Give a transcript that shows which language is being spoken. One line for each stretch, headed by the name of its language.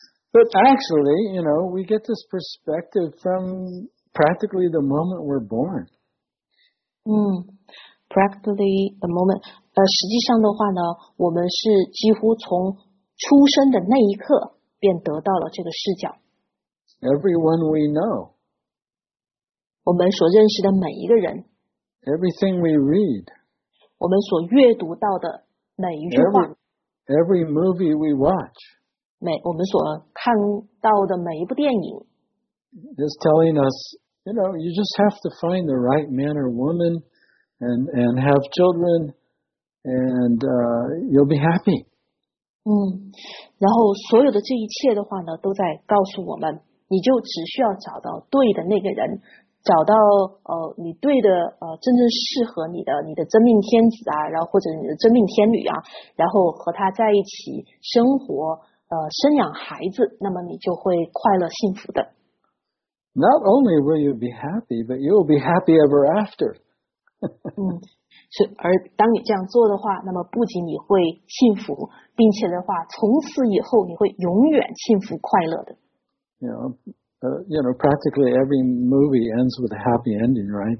English: But actually, you know, we get this perspective from practically the moment we're born. Practically the moment.
Chinese: 实际上的话呢，我们是几乎从出生的那一刻便得到了这个视角。
English: Everyone we know.
Chinese: 我们所认识的每一个人。
English: Everything we read.
Chinese: 我们所阅读到的每一句话。
English: Every movie we watch.
Chinese: 我们所看到的每一部电影。
English: It's telling us, you know, you just have to find the right man or woman and have children and you'll be happy.
Chinese: 然后所有的这一切的话呢，都在告诉我们，你就只需要找到对的那个人，找到你对的真正适合你的真命天子啊，然后或者你的真命天女啊，然后和他在一起生活，生养孩子，那么你就会快乐幸福的。
English: Not only will you be happy, but you will be happy ever after.
Chinese: 而当你这样做的话，那么不仅你会幸福，并且的话，从此以后你会永远幸福快乐的。
English: You know, practically every movie ends with a happy ending, right?